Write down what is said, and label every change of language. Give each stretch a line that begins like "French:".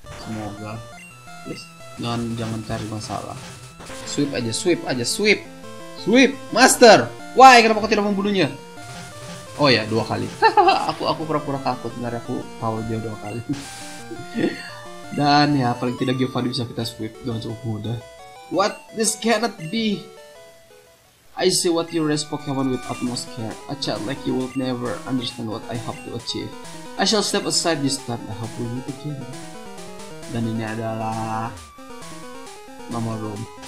Indonesian: Semoga.
English: Please.
Indonesian: Jangan cari masalah. Sweep aja.
English: Master! Why?
Indonesian: Kenapa aku tidak membunuhnya? Oh ya, 2 kali. aku pura-pura takut. Benar aku tahu dia 2 kali. Dan ya, paling tidak Giovanni bisa kita sweep dengan cukup mudah.
English: What? This cannot be! I see what you raise Pokemon with utmost care. A child like you will never understand what I hope to achieve. I shall step aside this time. I hope we meet again.
Indonesian: Dan ini adalah nomor room.